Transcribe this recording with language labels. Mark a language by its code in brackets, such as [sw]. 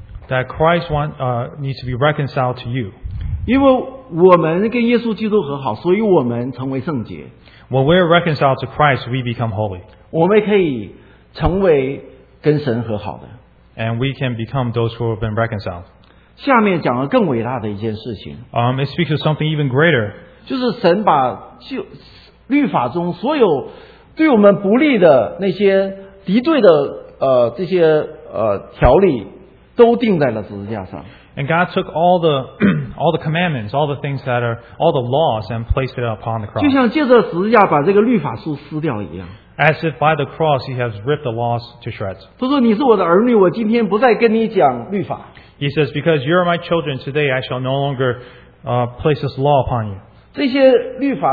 [en] That Christ wants needs to be reconciled to you. [zh] 因为我们跟耶稣基督和好，所以我们成为圣洁。 [en] When we are reconciled to Christ, we become holy. [zh] 我们可以成为跟神和好的。 [en] And we can become those who have been reconciled. [zh] 下面讲了更伟大的一件事情。 [en] It speaks of something even greater. [zh] 就是神把律法中所有对我们不利的那些敌对的这些条例都定在了十字架上。 [en] And God took all the commandments, all the things that are all the laws, and placed it upon the cross. [zh] 就像借着十字架把这个律法书撕掉一样。 [en] As if by the cross He has ripped the laws to shreds. [zh] 他说你是我的儿女，我今天不再跟你讲律法。 [en] He says, because you are my children, today I shall no longer place this law upon you.